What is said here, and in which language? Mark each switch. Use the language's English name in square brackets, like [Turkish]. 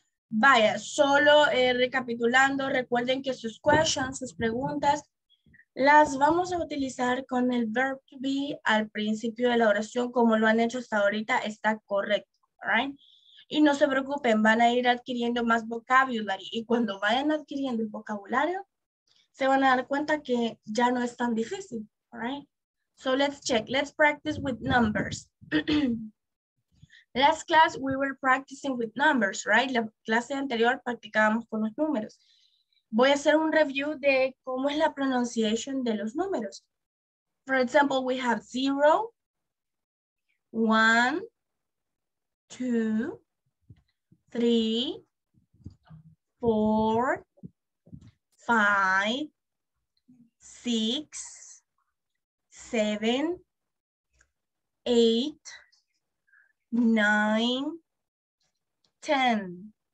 [Spanish] Vaya, solo recapitulando, recuerden que sus questions, sus preguntas, las vamos a utilizar con el verb to be al principio de la oración, como lo han hecho hasta ahorita, está correcto, [English] right? [Spanish] Y no se preocupen, van a ir adquiriendo más vocabulary, y cuando vayan adquiriendo el vocabulario, se van a dar cuenta que ya no es tan difícil, [English] right? So let's check, let's practice with numbers. Last class, we were practicing with numbers, right? [Spanish] La clase anterior, practicábamos con los números. Voy a hacer un review de cómo es la pronunciation de los números. [English] For example, we have 0, 1, 2, 3, 4, 5, 6, 7, 8, 9, 10.